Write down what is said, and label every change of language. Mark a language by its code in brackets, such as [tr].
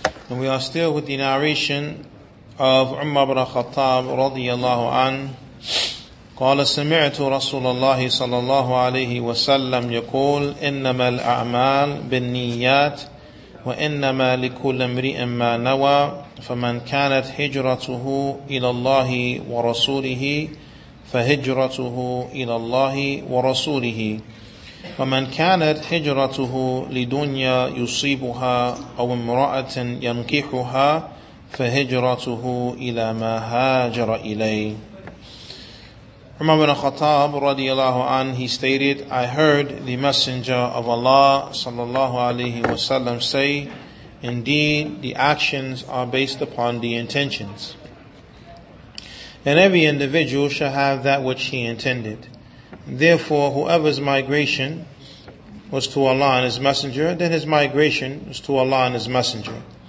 [en] And we are still with the narration of Umar ibn Khattab radiyallahu anhu. [ar] قال سمعت رسول الله صلى الله عليه وسلم يقول إنما الأعمال بالنيات وإنما لكل امرئ ما نوى فمن كانت هجرته إلى الله ورسوله فهجرته إلى الله ورسوله ومن كانت هجرته لدنيا يصيبها أو امرأة ينكحها فهجرته إلى ما هاجر إليه. [en] Umar ibn Khattab radiyallahu anhu, he stated, I heard the Messenger of Allah sallallahu alayhi wa sallam say, indeed, the actions are based upon the intentions. And every individual shall have that which he intended. Therefore, whoever's migration was to Allah and His Messenger, then his migration was to Allah and His Messenger.